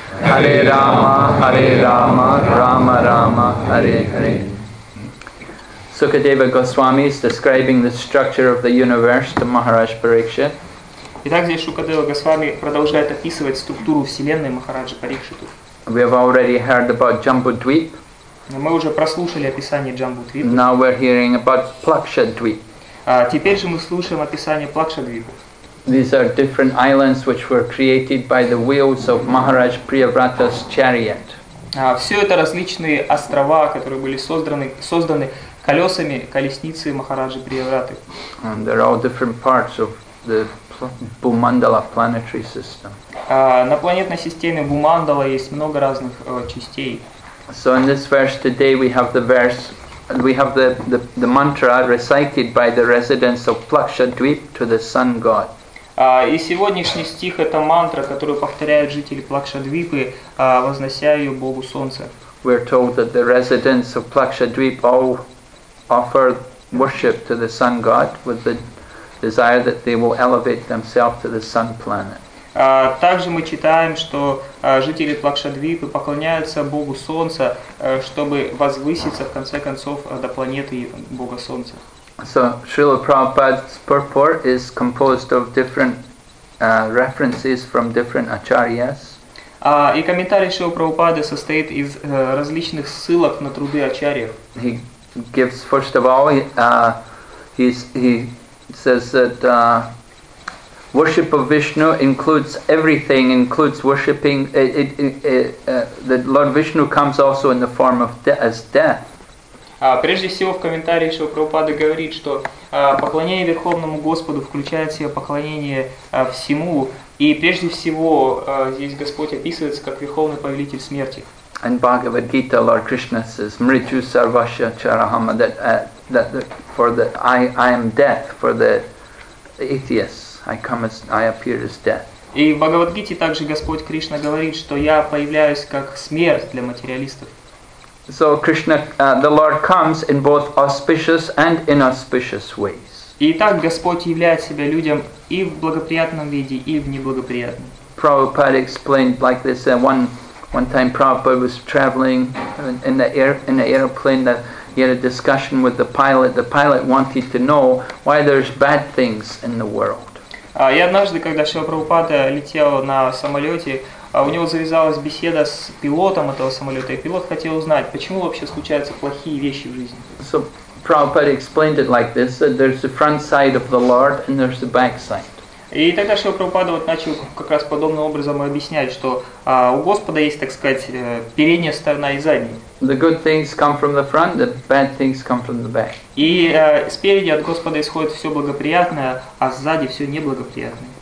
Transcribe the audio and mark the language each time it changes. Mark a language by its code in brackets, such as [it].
[en] Hare Rama Hare Rama Rama Rama Hare Hare Sukadeva Goswami is describing the structure of the universe to Maharaj Parikshit. [ru] Итак, здесь Шукадева Госвами продолжает описывать структуру вселенной Махараджа Парикшиту. [en] We have already heard about Jambudvip. [ru] Мы уже прослушали описание Jambudvip. [en] Now we're hearing about Plakshadvip. [ru] Теперь же мы слушаем описание Плакшадвипа. [en] These are different islands which were created by the wheels of Maharaj Priyavrata's chariot. [ru] Все это различные острова, которые были созданы колесами колесницы Махараджи Приевраты. [en] And they're all different parts of the Бумандала planetary system. [ru] На планетной системе Бумандала есть много разных частей. [en] So in this verse today we have the verse, we have the mantra recited by the residents of Plakshadweep to the sun god. [ru] И сегодняшний стих – это мантра, которую повторяют жители Плакшадвипы, вознося ее Богу Солнца. [en] We're told that the residents of Plakshadweep all offer worship to the sun god with the desire that they will elevate themselves to the sun planet. [ru] Также мы читаем, что жители Плакшадвипы поклоняются Богу Солнца, чтобы возвыситься, в конце концов, до планеты Бога Солнца. [en] So Srila Prabhupada's purport is composed of different references from different acharyas. [ru] И комментарий Шрилы Прабхупады состоит из различных ссылок на труды ачарьев. [en] He gives first of all he says that worship of Vishnu includes everything, includes worshipping that Lord Vishnu comes also in the form of as death. [ru] Прежде всего, в комментарии Шрилы Прабхупады говорит, что поклонение Верховному Господу включает в себя поклонение всему, и прежде всего здесь Господь описывается как Верховный Повелитель Смерти. [en] In Bhagavad Gita, Lord Krishna says, [sa] "Mrityu sarvasya charahama," [en] that I am death for the atheists. I appear as death. [ru] И в Бхагавадгите также Господь Кришна говорит, что я появляюсь как смерть для материалистов. [en] So Krishna, the Lord comes in both auspicious and inauspicious ways. [ru] И так Господь являет себя людям и в благоприятном виде, и в неблагоприятном. [en] Prabhupada explained like this, that one time Prabhupada was traveling in the airplane, that he had a discussion with the pilot. The pilot wanted to know why there's bad things in the world. [ru] И однажды, когда Шрила Прабхупада летел на самолете, у него завязалась беседа с пилотом этого самолета, и пилот хотел узнать, почему вообще случаются плохие вещи в жизни. [en] So Prabhupada explained it like this, that there's the front side of the Lord and there's the back side. [ru] И тогда Шрила Прабхупада вот начал как раз подобным образом объяснять, что у Господа есть, так сказать, передняя сторона и задняя. [en] The good things come from the front, the bad things come from the back. [ru] И спереди от Господа исходит все благоприятное, а сзади все неблагоприятное.